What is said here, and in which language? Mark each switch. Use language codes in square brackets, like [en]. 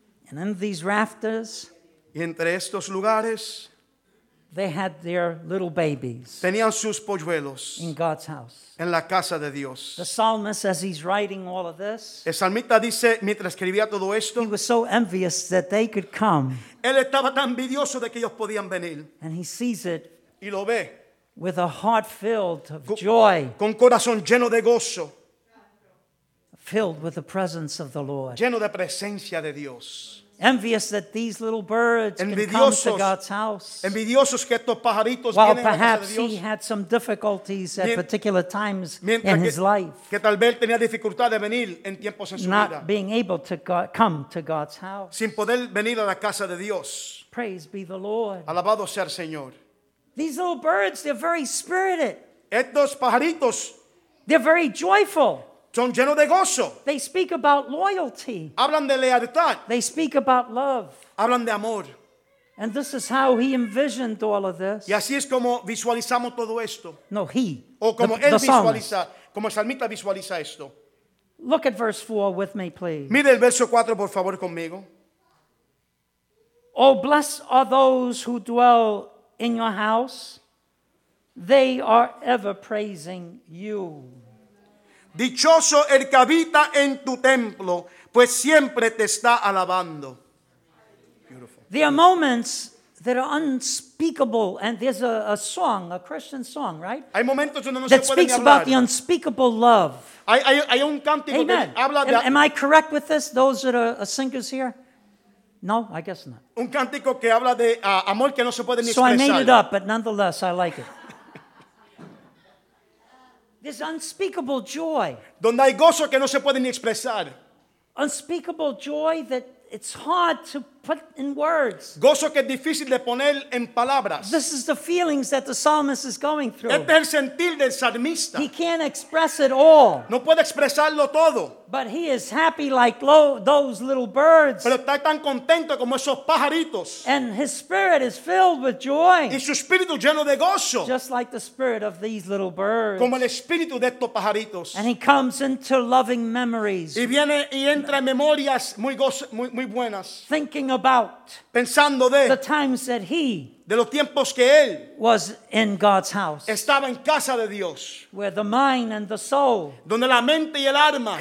[en] And in these rafters. [es] Y entre estos lugares. [en] They had their little babies. [es] Tenían sus polluelos. [en] In God's house. [es] En la casa de Dios. [en] The psalmist, as he's writing all of this. [es] El salmista dice, mientras escribía todo esto. [en] He was so envious that they could come. [es] Él estaba tan envidioso de que ellos podían venir. [en] And he sees it. [es] Y lo ve. [en] With a heart filled of joy. [es] Con corazón lleno de gozo. [en] Filled with the presence of the Lord. [es] Lleno de presencia de Dios. [en] Envious that these little birds can come to God's house. [es] Envidiosos que estos pajaritos [en] while perhaps he had some difficulties at particular times in his life. [es] Que tal vez tenía dificultad de venir en tiempos en su vida. [en] Not being able to come to God's house. [es] Sin poder venir a la casa de Dios. [en] Praise be the Lord. [es] Alabado sea el Señor. [en] These little birds, they're very spirited. [es] Estos pajaritos. [en] They're very joyful. [es] Son llenos de gozo. [en] They speak about loyalty. [es] Hablan de lealtad. [en] They speak about love. [es] Hablan de amor. [en] And this is how he envisioned all of this. [es] Y así es como visualizamos todo esto. [en] No, he. [es] O como él visualiza, como el salmista visualiza esto. [en] Look at verse 4 with me, please. [es] Mire el verso 4, por favor, conmigo. [en] Oh, blessed are those who dwell in your house. They are ever praising you. [es] Dichoso el que habita en tu templo, pues siempre te está alabando. [en] Beautiful. There are moments that are unspeakable, and there's a song, a Christian song, right? [es] Hay momentos donde no se puede hablar. [en] That speaks about the unspeakable love. [es] Hay un cántico que habla de. [en] Am I correct with this? Those that are singers here? No, I guess not. [es] Un cántico que habla de amor que no se puede ni expresar. [en] So I made it up, but nonetheless, I like it. There's unspeakable joy. [es] Donde hay gozo que no se puede ni expresar. [en] Unspeakable joy that it's hard to put in words. [es] Gozo que es difícil de poner en palabras. [en] This is the feelings that the psalmist is going through. [es] Este es el sentir del salmista. [en] He can't express it all. [es] No puede expresarlo todo. [en] But he is happy like those little birds. [es] Pero está tan contento como esos pajaritos. [en] And his spirit is filled with joy. [es] Y su espíritu lleno de gozo. [en] Just like the spirit of these little birds. [es] Como el espíritu de estos pajaritos. [en] And he comes into loving memories. [es] Y viene y entra en memorias muy muy buenas. [en] Thinking about [es] pensando de [en] the times that he [es] de los tiempos que él [en] was in God's house. [es] Estaba en casa de Dios. [en] Where the mind and the soul [es] donde la mente y el alma